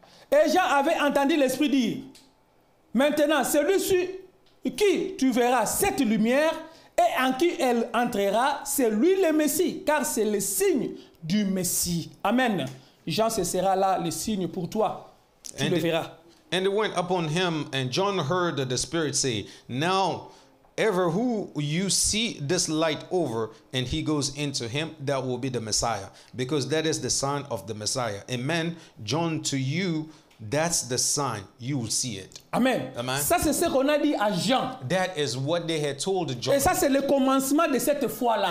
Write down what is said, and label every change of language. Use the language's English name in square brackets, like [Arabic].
[French] Et Jean avait entendu l'Esprit dire, maintenant, celui sur qui tu verras cette lumière et en qui elle entrera, c'est lui le Messie, car c'est le signe du Messie. Amen. Jean, ce sera là le signe pour toi. Tu le verras. [English] And it went upon him, and John heard the Spirit say, now, ever who you see this light over, and he goes into him, that will be the Messiah, because that is the sign of the Messiah. Amen. John, to you, that's the sign. You will see it. Amen. Amen. [French] Ça, c'est ce qu'on a dit à Jean. [English] That is what they had told John. [French] Et ça, c'est le commencement de cette foi-là.